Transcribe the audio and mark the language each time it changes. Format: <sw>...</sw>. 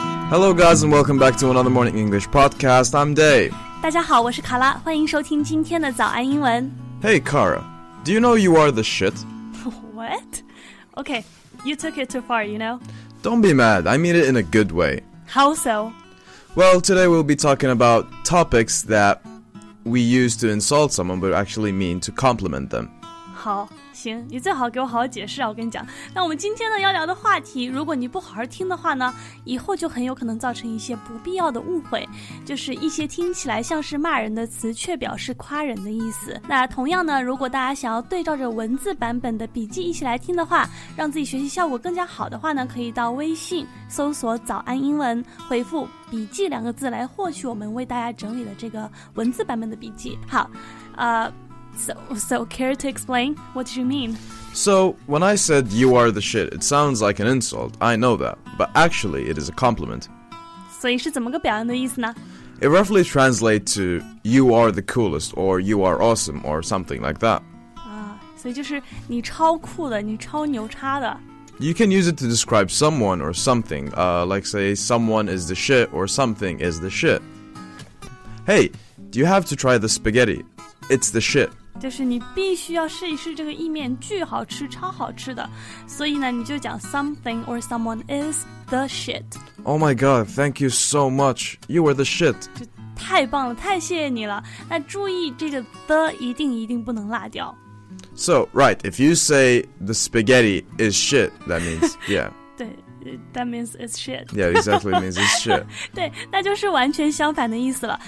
<en>Hello guys and welcome back to another Morning English Podcast. I'm Dave.</en> <zh>大家好，我是卡拉，欢迎收听今天的早安英文。</zh> <en>Hey Kara, do you know you are the shit? What? Okay, you took it too far, you know? Don't be mad, I mean it in a good way. How so? Well, today we'll be talking about topics that we use to insult someone but actually mean to compliment them.</en> <zh>好。行，你最好给我好好解释啊！我跟你讲，那我们今天呢要聊的话题，如果你不好好听的话呢，以后就很有可能造成一些不必要的误会，就是一些听起来像是骂人的词，却表示夸人的意思。那同样呢，如果大家想要对照着文字版本的笔记一起来听的话，让自己学习效果更加好的话呢，可以到微信搜索“早安英文”，回复“笔记”两个字来获取我们为大家整理的这个文字版本的笔记。</zh> <en>好，So care to explain? What do you mean? So, when I said you are the shit, it sounds like an insult. I know that. But actually, it is a compliment.</en> <zh>所以是怎么个表扬的意思呢?</zh> <en>It roughly translates to you are the coolest, or you are awesome, or something like that.</en> <zh>所以就是你超酷的,你超牛叉的。</zh> <en>You can use it to describe someone or something, like say someone is the shit, or something is the shit. Hey, do you have to try the spaghetti? It's the shit.</en> <zh>就是你必须要试一试这个意面，巨好吃，超好吃的。所以呢，你就讲 something or someone is the shit.</zh> <en>Oh my god, thank you so much. You are the shit.</en> <zh>太棒了，太谢谢你了。那注意这个 the 一定不能落掉。</zh> <en>So, right, if you say the spaghetti is shit, that means, yeah. That means it's shit. Yeah, exactly, means it's shit.</en> <zh>对，那就是完全相反的意思了。</zh>